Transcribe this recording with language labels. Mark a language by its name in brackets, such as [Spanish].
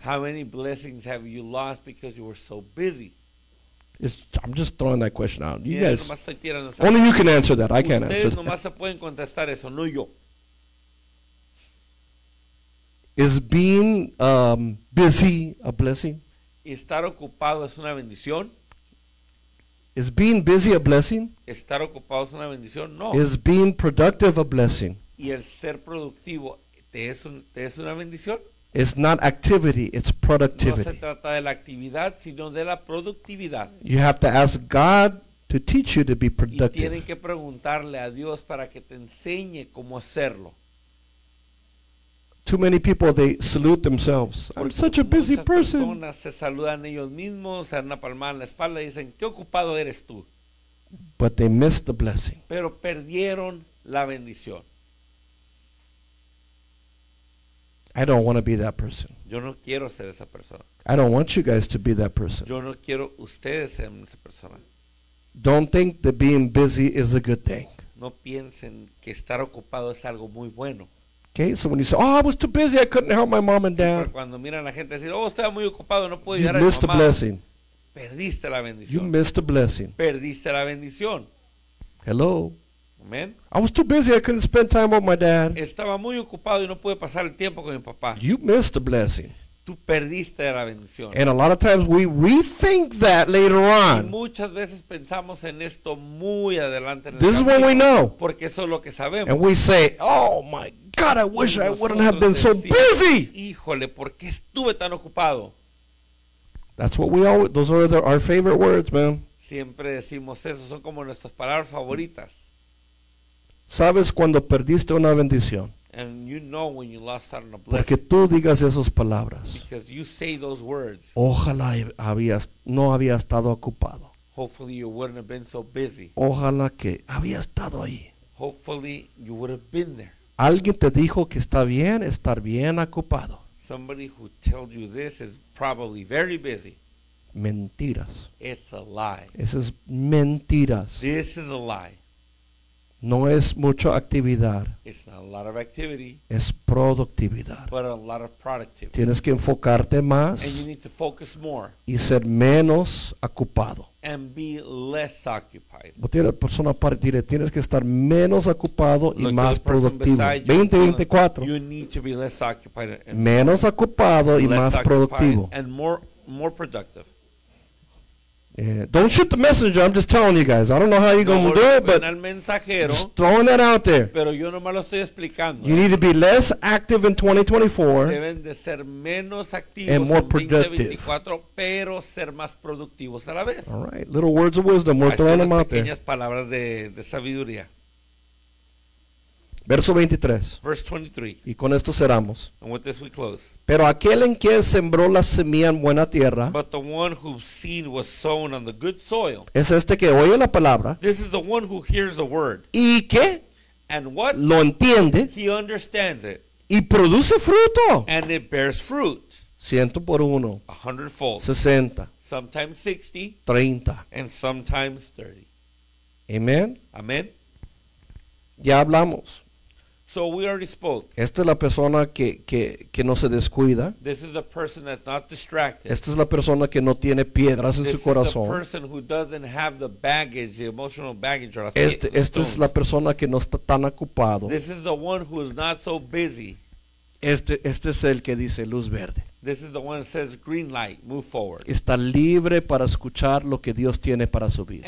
[English] How many blessings have you lost because you were so busy? I'm just throwing that question out. You [Spanish] Miren, [English] guys, only you can answer that. I can't answer that. [Spanish] Ustedes nomás se pueden contestar eso, no yo. [English] Is being busy a blessing? [Spanish] Estar ocupado es una bendición. [English] Is being busy a blessing? [Spanish] Estar ocupado es una bendición, no. [English] Is being productive a blessing? [Spanish] Y el ser productivo te es una bendición. [English] It's not activity, it's productivity. [Spanish] No se trata de la actividad, sino de la productividad. [English] You have to ask God to teach you to be productive. [Spanish] Y tienen que preguntarle a Dios para que te enseñe cómo hacerlo. [English] Too many people they salute themselves. [Spanish] Porque [English] I'm such a busy person. [Spanish] Muchas personas se saludan ellos mismos, se dan una palmada en la espalda y dicen qué ocupado eres tú. [English] But they missed the blessing. [Spanish] Pero perdieron la bendición. [English] I don't want to be that person. [Spanish] Yo no quiero ser esa persona. [English] I don't want you guys to be that person. [Spanish] Yo no quiero ustedes ser esa persona. [English] Don't think that being busy is a good thing. [Spanish] No piensen que estar ocupado es algo muy bueno. [English] Okay, so when you say, "Oh, I was too busy, I couldn't help my mom and dad." [Spanish] Pero cuando miran a la gente decir, "Oh, estaba muy ocupado, no pude ayudar a mi [English] mamá." You missed a blessing. [Spanish] Perdiste la bendición. [English] You missed a blessing. [Spanish] Perdiste la bendición. [English] Hello. [Spanish] Amen. [English] I was too busy, I couldn't spend time with my dad. [Spanish] Estaba muy ocupado y no pude pasar el tiempo con mi papá. [English] You missed the blessing. [Spanish] Tú perdiste la bendición. [English] And a lot of times we rethink that later on. [Spanish] Y muchas veces pensamos en esto muy adelante en [English] el camino. This is what we know. [Spanish] Porque eso es lo que sabemos. [English] And we say, oh my God, I wish I wouldn't have been so busy. [Spanish] Híjole, ¿por qué estuve tan ocupado? [English] That's what we always, those are the, our favorite words, man. [Spanish] Siempre decimos eso, son como nuestras palabras favoritas. ¿Sabes cuando perdiste una bendición? [English] And you know when you lost out on a blessing. [Spanish] Porque tú digas esas palabras. [English] Because you say those words. [Spanish] Ojalá habías, no había estado ocupado. [English] Hopefully you wouldn't have been so busy. [Spanish] Ojalá que había estado ahí. [English] Hopefully you would have been there. [Spanish] Alguien te dijo que está bien estar bien ocupado. [English] Somebody who told you this is probably very busy. [Spanish] Mentiras. [English] It's a lie. [Spanish] Eso es mentiras. [English] This is a lie. [Spanish] No es mucha actividad. [English] It's not a lot of activity. [Spanish] Es productividad. [English] But a lot of productivity. [Spanish] Tienes que enfocarte más. [English] And you need to focus more. [Spanish] Y ser menos ocupado. [English] And be less occupied. [Spanish] Otra persona para decirle, tienes que estar menos ocupado y más productivo. 2024. [English] You need to be less occupied. [Spanish] Menos ocupado y más productivo. [English] And more productive. Don't shoot the messenger. I'm just telling you guys. I don't know how you're going to do it, but just throwing that out there. [Spanish] Pero yo nomás lo estoy explicando. [English] You need to be less active in 2024. [Spanish] Deben de ser menos activos en 2024, pero ser más productivos a la vez. [English] All right. Little words of wisdom. We're throwing them out there. [Spanish] Pequeñas palabras de sabiduría. Verso 23. [English] Verse 23. [Spanish] Y con esto cerramos. [English] And with this we close. [Spanish] Pero aquel en quien sembró la semilla en buena tierra. [English] But the one whose seed was sown on the good soil. [Spanish] Es este que oye la palabra. [English] This is the one who hears the word. [Spanish] ¿Y qué? [English] And what? [Spanish] Lo entiende. [English] He understands it. [Spanish] Y produce fruto. [English] And it bears fruit. [Spanish] Ciento por uno. [English] A hundredfold. [Spanish] 60. [English] Sometimes 60. [Spanish] 30. [English] And sometimes 30. [Spanish] Amen. [English] Amen. [Spanish] Ya hablamos. [English] So we already spoke. [Spanish] Esta es la persona que no se descuida. [English] This is the person that's not distracted. [Spanish] Esta es la persona que no tiene piedras en [English] this [Spanish] su corazón. [English] This is the person who doesn't have the baggage, the emotional baggage. [Spanish] Esta es la persona que no está tan ocupado. [English] This is the one who is not so busy. [Spanish] Este es el que dice luz verde. [English] This is the one that says green light, move forward. [Spanish] Está libre para escuchar lo que Dios tiene para su vida.